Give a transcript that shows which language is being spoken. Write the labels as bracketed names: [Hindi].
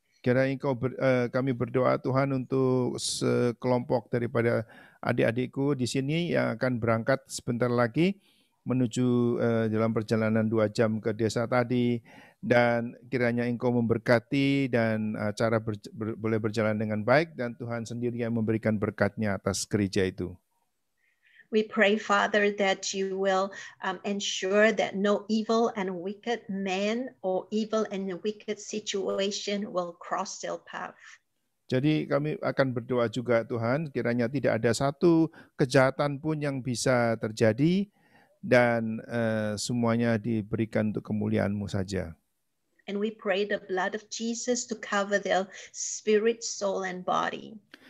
[Indonesian] Kiranya Engkau kami berdoa Tuhan untuk sekelompok daripada adik-adikku di sini yang akan berangkat sebentar lagi menuju dalam perjalanan 2 jam ke desa tadi dan kiranya Engkau memberkati dan acara boleh berjalan dengan baik dan Tuhan sendiri yang memberikan berkat-Nya atas gereja itu. [English] We pray, Father, that you will ensure that no evil and wicked man or evil and wicked situation will cross their path. [Indonesian] Jadi kami akan berdoa juga, Tuhan, kiranya tidak ada satu kejahatan pun yang bisa terjadi dan semuanya diberikan untuk kemuliaan-Mu saja. [English] And we pray the blood of Jesus to cover their spirit, soul, and body.